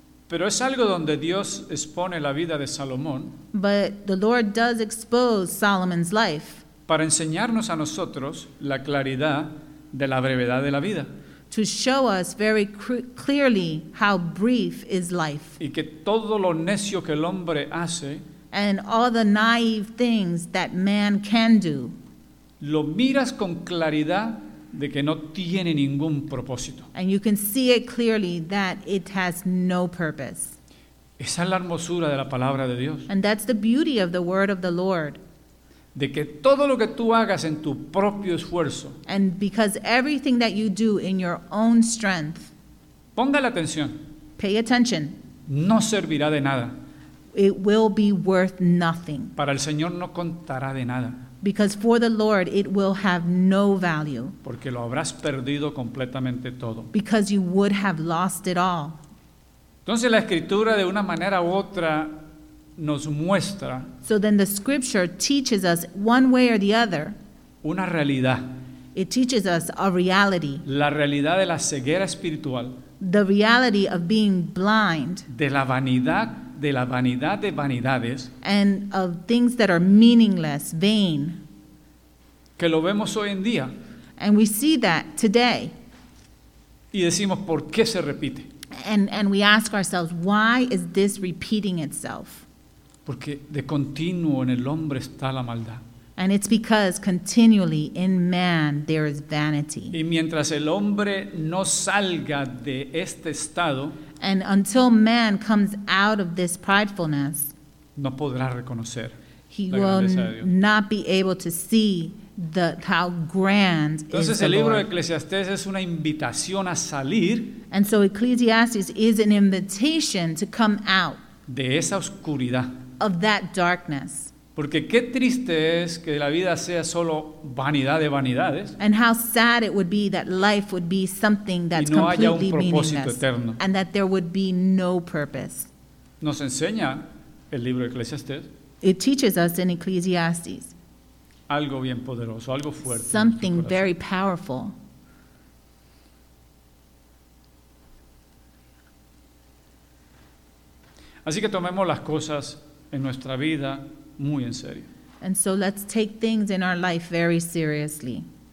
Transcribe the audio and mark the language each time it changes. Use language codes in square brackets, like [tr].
[es] Pero es algo donde Dios expone la vida de Salomón. [en] But the Lord does expose Solomon's life. [es] Para enseñarnos a nosotros la claridad de la brevedad de la vida. [en] To show us very clearly how brief is life. [es] Y que todo lo necio que el hombre hace. [en] And all the naive things that man can do. [es] Lo miras con claridad. De que no tiene ningún propósito. [en] And you can see it clearly that it has no purpose. [es] Esa es la hermosura de la palabra de Dios. [en] And that's the beauty of the word of the Lord. [es] De que todo lo que tú hagas en tu propio esfuerzo. [en] And because everything that you do in your own strength. [es] Ponga la atención. [en] Pay attention. [es] No servirá de nada. [en] It will be worth nothing. [es] Para el Señor no contará de nada. [en] Because for the Lord it will have no value. [es] Porque lo habrás perdido completamente todo. [en] Because you would have lost it all. [es] Entonces la Escritura de una manera u otra nos muestra. [en] So then the Scripture teaches us one way or the other. [es] Una realidad. [en] It teaches us a reality. [es] La realidad de la ceguera espiritual. [en] The reality of being blind. [es] De la vanidad de vanidades. [en] And of things that are meaningless, vain. [es] Que lo vemos hoy en día. [en] And we see that today. [es] Y decimos, ¿por qué se repite? [en] And we ask ourselves, why is this repeating itself? [es] Porque de continuo en el hombre está la maldad. [en] And it's because continually in man there is vanity. [es] Y mientras el hombre no salga de este estado, [en] and until man comes out of this pridefulness, [es] no podrá reconocer la grandeza de Dios. [en] He will not be able to see how grand [es] Entonces el libro de Eclesiastés es una invitación a salir. [en] And so Ecclesiastes is an invitation to come out [es] de esa oscuridad. [en] Of that darkness. [es] Porque qué triste es que la vida sea solo vanidad de vanidades. [en] And how sad it would be that life would be something that's [es] no [en] completely [es] haya un propósito [en] meaningless. [es] Eterno. [en] And that there would be no purpose. [es] Nos enseña el libro de Eclesiastés. [en] It teaches us in Ecclesiastes. [es] Algo bien poderoso, algo fuerte. [en] Something very powerful. [es] Así que tomemos las cosas en nuestra vida muy en serio. [en] And so let's take things in our life very seriously.